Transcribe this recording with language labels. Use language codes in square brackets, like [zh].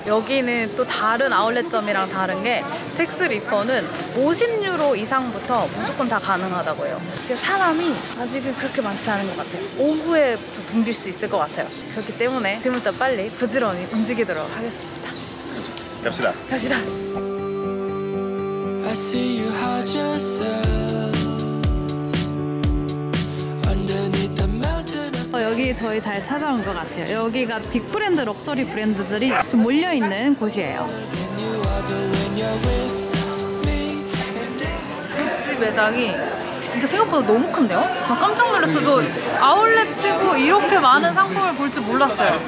[ko] 여기는 또 다른 아울렛점이랑 다른 게 텍스 리퍼는 50유로 이상부터 무조건 다 가능하다고 해요. 사람이 아직은 그렇게 많지 않은 것 같아요. 오후에 좀 붐빌 수 있을 것 같아요. 그렇기 때문에 지금부터 빨리 부지런히 움직이도록 하겠습니다. 갑시다. 갑시다. [en] I see you hide yourself underneath the mountain. [ko] 여기 저희 잘 찾아온 것 같아요. 여기가 빅브랜드 럭셔리 브랜드들이 좀 몰려있는 곳이에요. 굿즈 매장이 진짜 생각보다 너무 큰데요? 나 깜짝 놀랐어. 저 아울렛 치고 이렇게 많은 상품을 볼 줄 몰랐어요.